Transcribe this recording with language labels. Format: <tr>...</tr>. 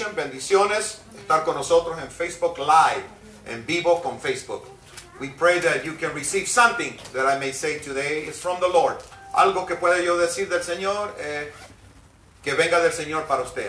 <es>Bendiciones, estar con nosotros en Facebook Live, en vivo con Facebook.</es> <en>We pray that you can receive something that I may say today is from the Lord.</en> <es>Algo que pueda yo decir del Señor, que venga del Señor para usted.</es>